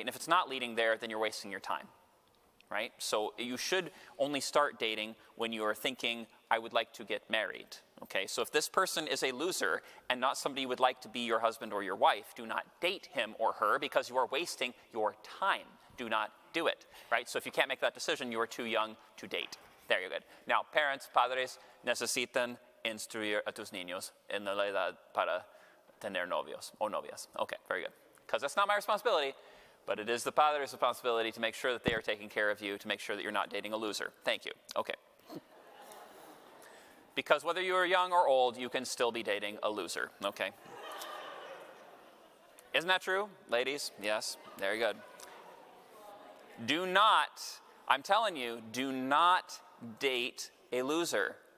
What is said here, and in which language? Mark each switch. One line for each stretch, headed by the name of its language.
English: And if it's not leading there, then you're wasting your time, right? So you should only start dating when you are thinking, I would like to get married, okay? So if this person is a loser and not somebody you would like to be your husband or your wife, do not date him or her because you are wasting your time. Do not do it, right? So if you can't make that decision, you are too young to date. There you go. Now, parents,
Spanish: padres, necesitan instruir a tus niños en la edad para tener novios o novias.
English: Okay, very good. Because that's not my responsibility, but it is the father's responsibility to make sure that they are taking care of you, to make sure that you're not dating a loser. Thank you. Okay. Because whether you are young or old, you can still be dating a loser. Okay. Isn't that true, ladies? Yes. Very good. Do not date a loser.